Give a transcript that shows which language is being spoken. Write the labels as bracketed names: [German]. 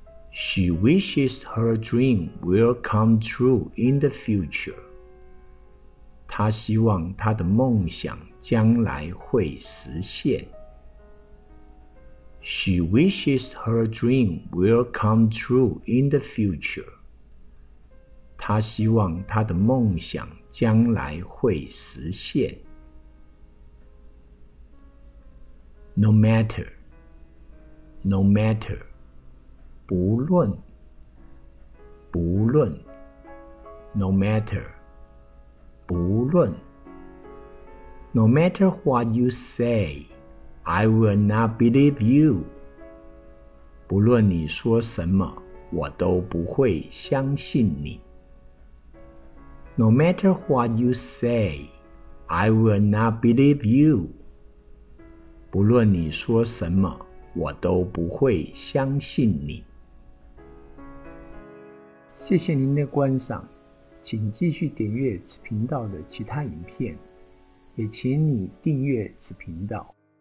[English] She wishes her dream will come true in the future. [Chinese] 她希望她的梦想将来会实现。 [English] She wishes her dream will come true in the future. [Chinese] 她希望她的梦想将来会实现。 [English] No matter, 不论, no matter, 不论。 No matter what you say, I will not believe you. [Chinese] 不论你说什么，我都不会相信你。 [English] No matter what you say, I will not believe you. [Chinese] 不论你说什么，我都不会相信你。谢谢您的观赏，请继续点阅此频道的其他影片，也请你订阅此频道。